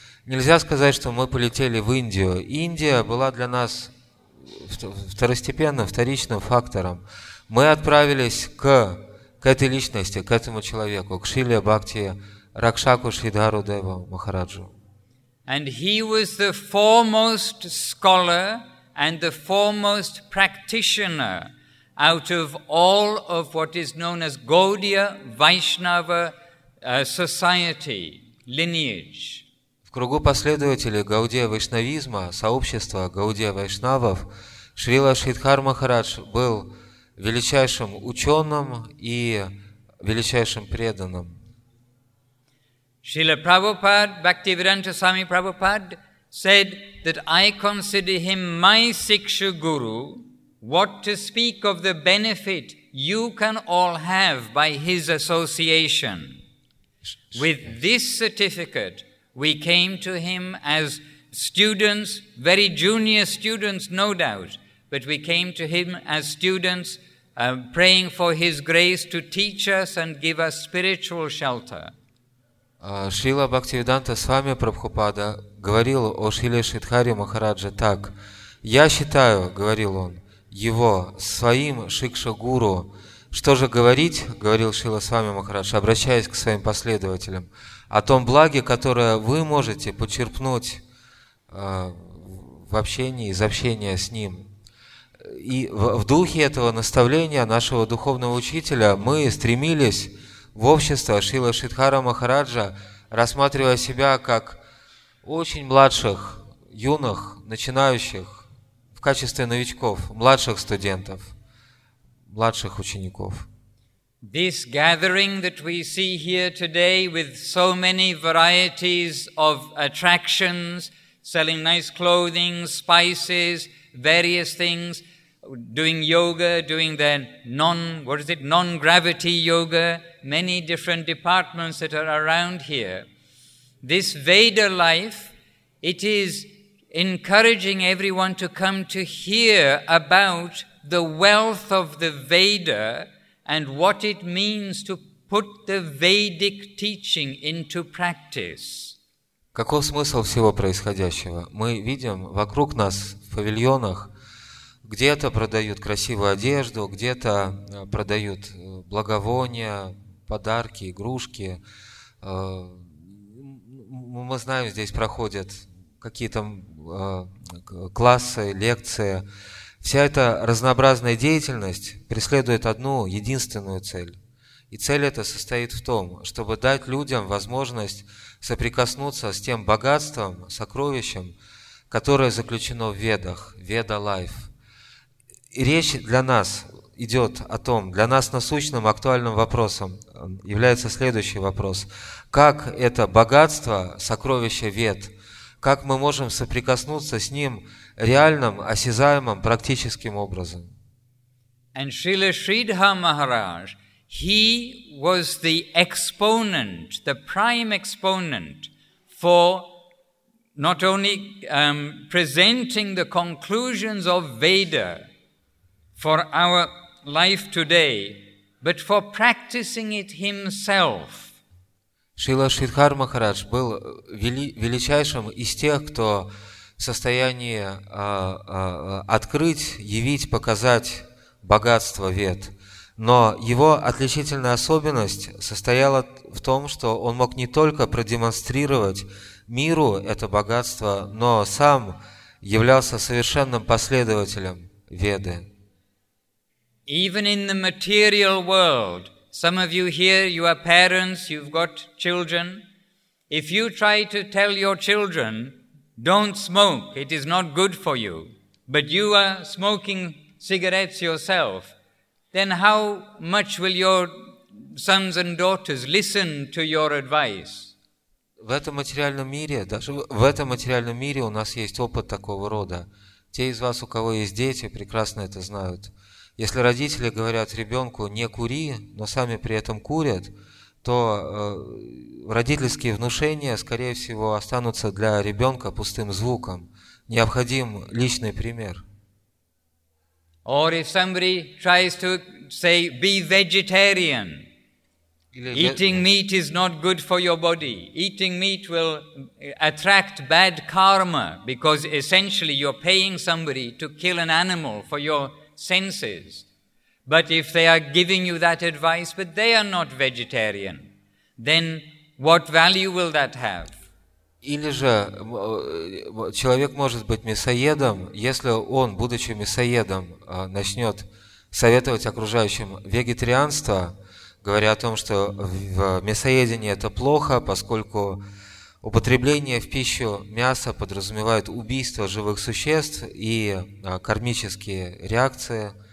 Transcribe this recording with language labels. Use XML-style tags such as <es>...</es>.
<ru>Нельзя сказать, что мы полетели в Индию. Индия была для нас второстепенным, вторичным фактором. Мы отправились к этой личности, к этому человеку, к Шриле Бхакти Ракшаку Шридхару Деву Махараджу.</ru> <en>And he was the foremost scholar and the foremost practitioner out of all of what is known as Gaudiya Vaishnava society, lineage.</en> <ru>В кругу последователей Гаудия Вайшнавизма, сообщества Гаудия Вайшнавов, Шрила Шридхар Махарадж был величайшим ученым и величайшим преданным.</ru> <en>Srila Prabhupada, Bhaktivedanta Swami Prabhupada, said that I consider him my Siksha Guru. What to speak of the benefit you can all have by his association. With this certificate, we came to him as students, very junior students, no doubt, but we came to him as students, praying for his grace to teach us and give us spiritual shelter.</en> <ru>Шрила Бхактивиданта Свами Прабхупада говорил о Шриле Шридхаре Махарадже так. «Я считаю, — говорил он, — его своим шикша-гуру. Что же говорить, — говорил Шрила Свами Махарадж, обращаясь к своим последователям, — о том благе, которое вы можете почерпнуть в общении, из общения с ним. И в духе этого наставления нашего духовного учителя мы стремились в общество Шрилы Шридхара Махараджа, рассматривая себя как очень младших, юных, начинающих, в качестве новичков, младших студентов, младших учеников.</ru> <en>This gathering that we see here today with so many varieties of attractions, selling nice clothing, spices, various things, doing yoga, doing their non-gravity yoga, many different departments that are around here. This Veda life, it is encouraging everyone to come to hear about the wealth of the Veda and what it means to put the Vedic teaching into practice.</en> <ru>Каков смысл всего происходящего? Мы видим вокруг нас в павильонах, где-то продают красивую одежду, где-то продают благовония, подарки, игрушки. Мы знаем, здесь проходят какие-то классы, лекции. Вся эта разнообразная деятельность преследует одну единственную цель. И цель эта состоит в том, чтобы дать людям возможность соприкоснуться с тем богатством, сокровищем, которое заключено в Ведах, Веда-лайф. И речь для нас идет о том, для нас насущным, актуальным вопросом является следующий вопрос. Как это богатство, сокровище Вед, как мы можем соприкоснуться с ним реальным, осязаемым, практическим образом?</ru> <en>And Srila Sridhar Maharaj, he was the exponent, the prime exponent for not only presenting the conclusions of Veda for our life today, but for practicing it himself.</en> <ru>Шрила Шридхар Махарадж был величайшим из тех, кто в состоянии открыть, явить, показать богатство Вед. Но его отличительная особенность состояла в том, что он мог не только продемонстрировать миру это богатство, но сам являлся совершенным последователем Веды.</ru> <en>Even in the material world, some of you here, you are parents, you've got children. If you try to tell your children, don't smoke, it is not good for you, but you are smoking cigarettes yourself, then how much will your sons and daughters listen to your advice?</en> <ru>В этом материальном мире, даже в этом материальном мире у нас есть опыт такого рода. Те из вас, у кого есть дети, прекрасно это знают. Если родители говорят ребенку «не кури», но сами при этом курят, то родительские внушения, скорее всего, останутся для ребенка пустым звуком. Необходим личный пример.</ru> <en>Or if somebody tries to say «be vegetarian», «eating meat is not good for your body», «eating meat will attract bad karma», because essentially you're paying somebody to kill an animal for your senses. But if they are giving you that advice, but they are not vegetarian, then what value will that have?</en> <ru>Или же человек может быть мясоедом, если он, будучи мясоедом, начнет советовать окружающим вегетарианство, говоря о том, что в мясоедении это плохо, поскольку употребление в пищу мяса подразумевает убийство живых существ и кармические реакции.</ru>